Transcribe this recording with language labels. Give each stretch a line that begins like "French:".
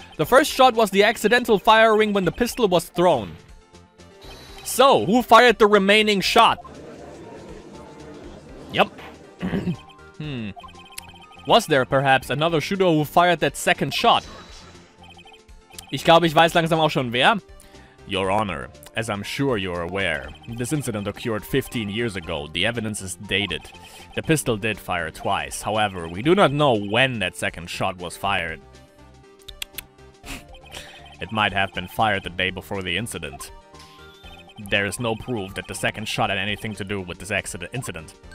English: The first shot was the accidental firing when the pistol was thrown. So, who fired the remaining shot? Yep. Was there, perhaps, another shooter who fired that second shot?
German: Ich glaube, ich weiß langsam auch schon wer.
English: Your Honor, as I'm sure you're aware, this incident occurred 15 years ago. The evidence is dated. The pistol did fire twice. However, we do not know when that second shot was fired. It might have been fired the day before the incident. There is no proof that the second shot had anything to do with this incident.